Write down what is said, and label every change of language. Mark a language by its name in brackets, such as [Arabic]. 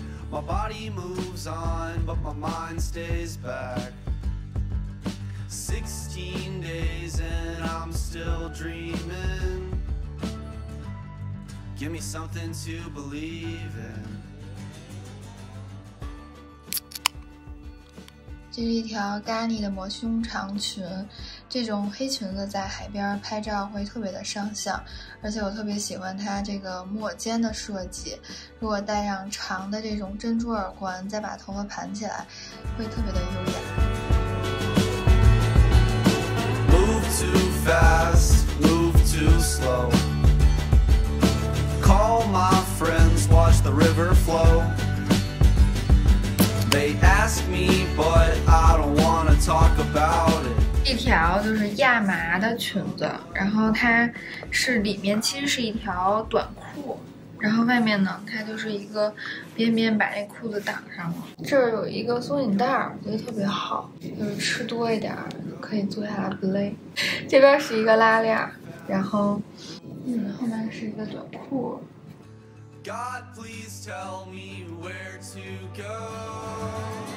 [English] My body moves on, but my mind stays back. 16 days and I'm still dreaming. Give me something to believe in. [Chinese] 这是一条咖喱的抹胸长裙，这种黑裙子在海边拍照会特别的上相，而且我特别喜欢它这个抹肩的设计，如果戴上长的这种珍珠耳环再把头发盘起来会特别的优雅。 [English] Move too fast, move too slow. Call my friends, watch the river flow. They ask me, but I don't wanna talk about it. [Chinese] 一条就是亚麻的裙子，然后它是里面其实是一条短裤，然后外面呢它就是一个边边把那裤子挡上了，这儿有一个松紧带，我觉得特别好，就是吃多一点可以坐下来不累。这边是一个拉链，然后后面是一个短裤。 [English] God please tell me where to go.